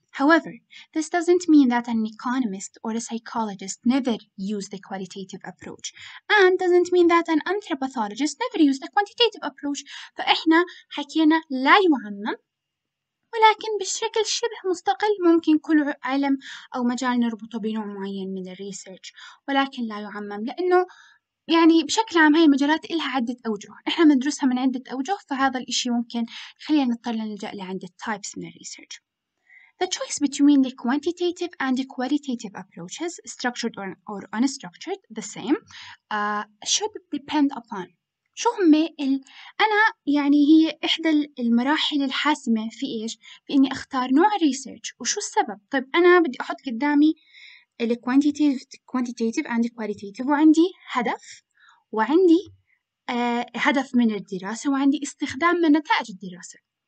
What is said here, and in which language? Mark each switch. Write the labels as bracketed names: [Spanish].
[English] However, this doesn't mean that an economist or a psychologist never use the qualitative approach, and doesn't mean that an anthropologist never use the quantitative approach. [Arabic] فإحنا حكينا لا يعمم، ولكن بشكل شبه مستقل ممكن كل علم أو مجال نربطه بنوع معين من الريسيرش، ولكن لا يعمم، لأنه يعني بشكل عام هاي المجالات إلها عدة أوجه، إحنا مندرسها من عدة أوجه، فهذا الإشي ممكن خلينا نضطر نلجأ لعدة types من الريسيرش. [English] The choice between the quantitative and the qualitative approaches, structured or unstructured, the same, should depend upon. [Arabic] شو هم ال... أنا يعني هي إحدى المراحل الحاسمة في إيش؟ في إني أختار نوع الريسيرش، وشو السبب؟ طيب أنا بدي أحط قدامي ال [English] quantitative and qualitative، [Arabic] وعندي هدف، وعندي هدف من الدراسة، وعندي استخدام من نتائج الدراسة.